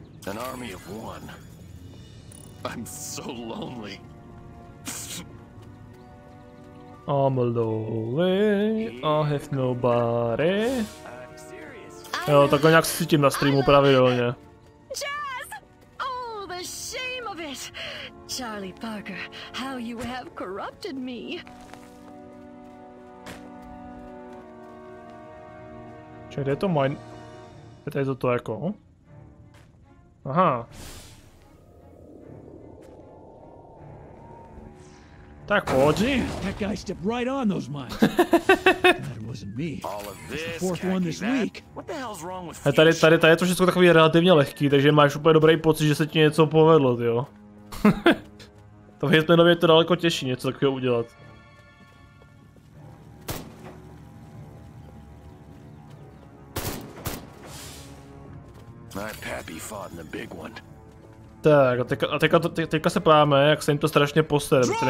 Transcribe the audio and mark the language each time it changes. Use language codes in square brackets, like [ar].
[en] An army of one. I'm so lonely. I'm lonely, I have nobody. [cs] Jo, takhle nějak se cítím na streamu pravidelně. [en] Jazz! Oh, the shame of it! Charlie Parker, how you have corrupted me! [cs] Čekaj, kde je to mine? Je tady toto jako? Aha. Tak pojď. [en] That guy stepped right on those mines. That wasn't me. All of this. The fourth one this week. What the hell's wrong with you? [cs] Tady je to všechno takový relativně lehký, takže máš úplně dobrý pocit, že se ti něco povedlo, jo. To v Hitmanově to daleko těžší něco takového udělat. [en] My pappy fought in the big one. [cs] Tak, a teďka se pláme, jak se jim to strašně posere.